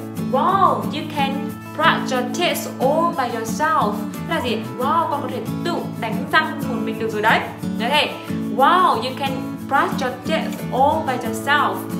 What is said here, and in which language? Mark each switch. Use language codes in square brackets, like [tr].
[en] Wow, you can brush your teeth all by yourself. [vi] Là gì? Wow, con có thể tự đánh răng một mình được rồi đấy. Ok. [en] Wow, you can brush your teeth all by yourself.